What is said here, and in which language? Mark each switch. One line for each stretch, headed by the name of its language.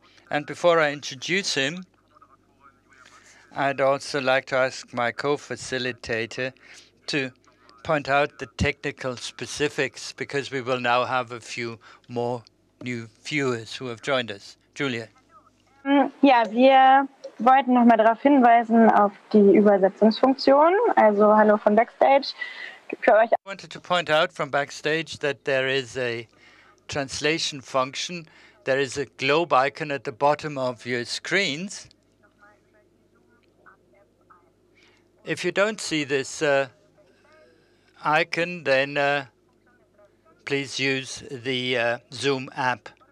English: And before I introduce him, I'd also like to ask my co-facilitator to point out the technical specifics, because we will now have a few more new viewers who have joined us. Julia.
German: Ja, wir wollten noch mal darauf hinweisen auf die Übersetzungsfunktion. Also hallo von Backstage.
English: I wanted to point out from backstage that there is a translation function. There is a globe icon at the bottom of your screens. If you don't see this icon, then please use the Zoom app.